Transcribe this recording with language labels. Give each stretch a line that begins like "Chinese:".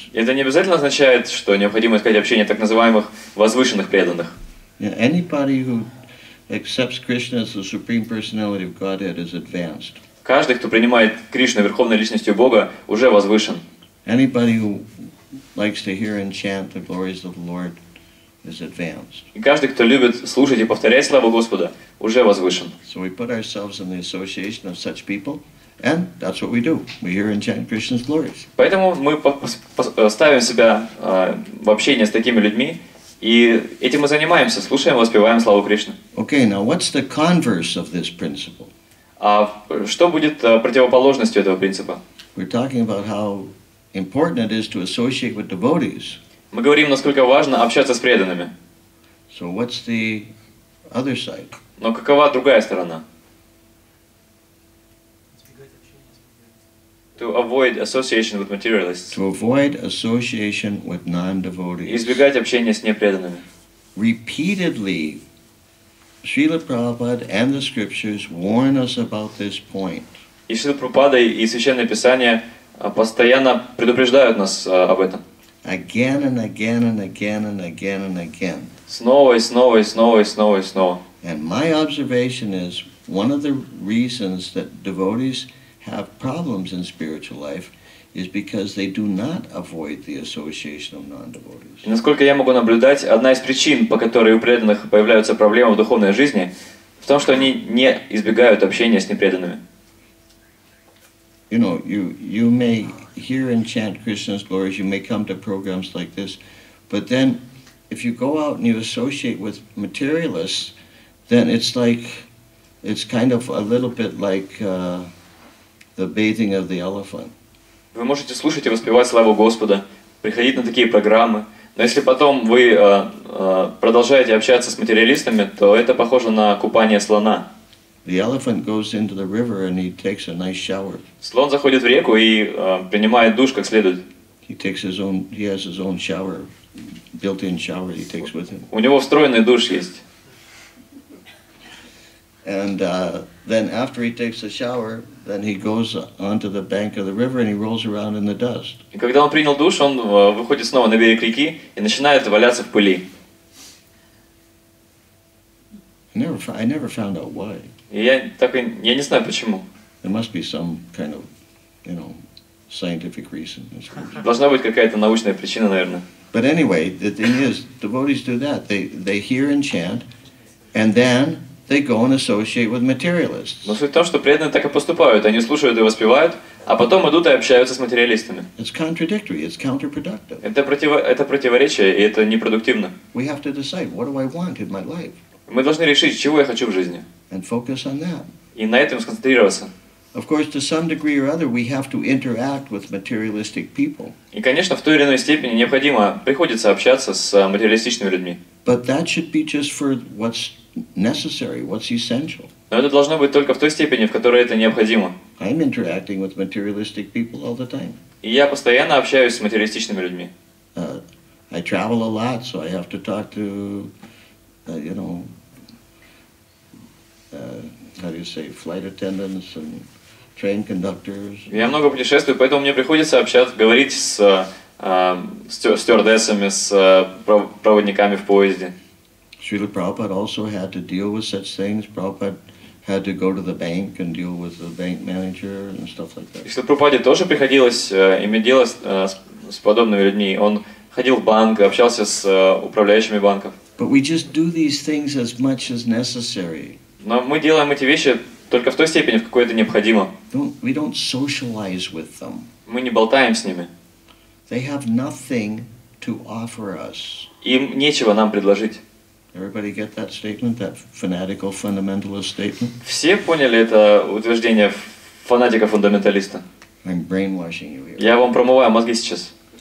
Russian: Это не обязательно означает, что необходимо искать общение так называемых возвышенных преданных.
English: Anybody who accepts Krishna as the Supreme Personality of Godhead is advanced.
Russian: Каждый, кто принимает Кришну верховной личностью Бога, уже возвышен.
English: Anybody who likes to hear and chant the glories of the Lord is advanced.
Russian: И каждый, кто любит слушать и повторять славу Господа, уже возвышен.
English: So we put ourselves in the association of such people, and that's what we do. We hear and chant Krishna's glories.
Russian: Поэтому мы ставим себя в общение с такими людьми, и этим мы занимаемся, слушаем, воспеваем славу Кришны.
English: Okay, now what's the converse of this principle?
Russian: А что будет противоположностью этого принципа?
English: We're talking about how important it is to associate with devotees.
Russian: Мы говорим, насколько важно общаться с преданными.
English: So what's the other side?
Russian: Но какова другая сторона?
English: To avoid association with materialists. To avoid association with non-devotees.
Russian: Избегать общения с непреданными.
English: Repeatedly, Srila Prabhupada and the scriptures warn us about this point.
Russian: И Шрила Прабхупада и Священное Писание постоянно предупреждают нас об этом.
English: Again and again and again and again and again.
Russian: Снова и снова и снова и снова и снова.
English: And my observation is one of the reasons that devotees have problems in spiritual life is because they do not avoid the association of non-devotees.
Russian: Насколько я могу наблюдать, одна из причин, по которой у преданных появляются проблемы в духовной жизни, в том, что они не избегают общения с непреданными.
English: You know, you may hear and chant Krishna's glories, you may come to programs like this, but then if you go out and you associate with materialists, then it's like, it's kind of a little bit like the bathing of the elephant.
Russian: Вы можете слушать и воспевать славу Господа, приходить на такие программы, но если потом вы продолжаете общаться с материалистами, то это похоже на купание слона.
English: The elephant goes into the river and he takes a nice shower.
Russian: Слон заходит в реку и принимает душ как следует.
English: He has his own shower, built-in shower he takes with him.
Russian: У него встроенный душ есть.
English: And then after he takes a shower, then he goes onto the bank of the river and he rolls around in the dust.
Russian: И когда он принял душ, он выходит снова на берег реки и начинает валяться в пыли.
English: I never found out why.
Russian: Я не знаю почему.
English: There must be some kind of, you know, scientific reason.
Russian: Должна быть какая-то научная причина, наверное.
English: But anyway, the thing is, devotees do that. They hear and chant, and then they go and associate with materialists.
Russian: Но суть в том, что преданные так и поступают. Они слушают и воспевают, а потом идут и общаются с материалистами.
English: It's contradictory. It's counterproductive.
Russian: Это противоречие и это непродуктивно.
English: We have to decide what do I want in my life.
Russian: Мы должны решить, чего я хочу в жизни.
English: And focus on that.
Russian: И на этом сконцентрироваться.
English: Of course, to some degree or other, we have to interact with materialistic people.
Russian: И, конечно, в той или иной степени необходимо приходится общаться с материалистичными людьми.
English: But that should be just for what's necessary, what's essential.
Russian: Но это должно быть только в той степени, в которой это необходимо.
English: I'm interacting with materialistic people all the time.
Russian: И я постоянно общаюсь с материалистичными людьми.
English: I travel a lot, so I have to talk to you know, how do you say, flight attendants and train conductors.
Russian: Я много путешествую, поэтому мне приходится общаться, говорить с стюардессами, с проводниками в поезде.
English: Srila Prabhupada also had to deal with such things. Prabhupada had to go to the bank and deal with the bank manager and stuff like that.
Russian: Srila Prabhupada тоже приходилось иметь дело с подобными людьми. Он ходил в банк, общался с управляющими банков.
English: But we just do these things as much as necessary.
Russian: Но мы делаем эти вещи только в той степени, в какой это необходимо.
English: We don't socialize with them.
Russian: Мы не болтаем с ними.
English: They have nothing to offer us.
Russian: Им нечего нам предложить.
English: Everybody get that statement, that fanatical fundamentalist statement?
Russian: Все поняли это утверждение фанатика-фундаменталиста?
English: I'm brainwashing you here.
Russian: Я вам промываю мозги сейчас.